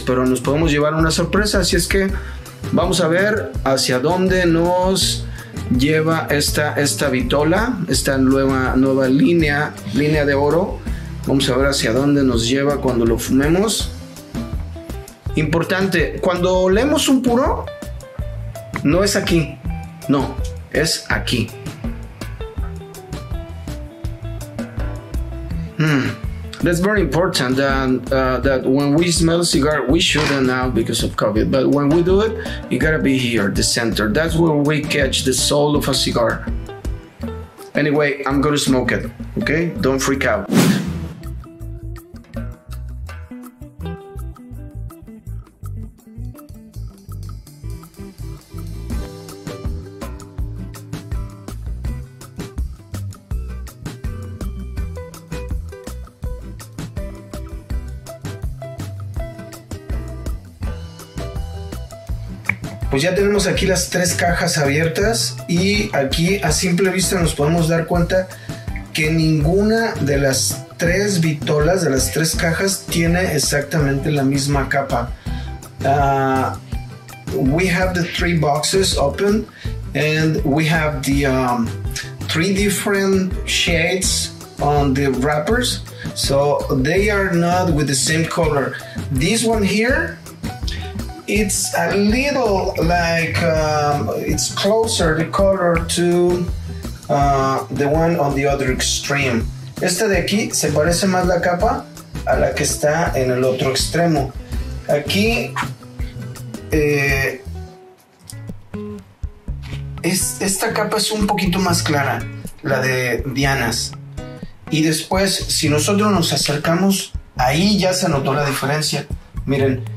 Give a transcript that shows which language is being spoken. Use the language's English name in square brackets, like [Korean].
[Spanish] Pero nos podemos llevar una sorpresa, así es que vamos a ver hacia dónde nos lleva esta vitola, esta nueva línea de oro. Vamos a ver hacia dónde nos lleva cuando lo fumemos. Importante, cuando olemos un puro, no es aquí, no, es aquí. [English] That's very important that when we smell cigar, we shouldn't now because of COVID, but when we do it, you gotta be here, the center. That's where we catch the soul of a cigar. Anyway, I'm gonna smoke it, okay? Don't freak out. [Spanish] Pues ya tenemos aquí las tres cajas abiertas y aquí a simple vista nos podemos dar cuenta que ninguna de las tres vitolas, de las tres cajas, tiene exactamente la misma capa. [English] We have the three boxes open and we have the three different shades on the wrappers. So they are not with the same color. This one here, it's a little like, it's closer the color to the one on the other extreme. [Spanish] Esta de aquí se parece más la capa a la que está en el otro extremo. Aquí, esta capa es un poquito más clara, la de Diana's. Y después, si nosotros nos acercamos, ahí ya se notó la diferencia. Miren.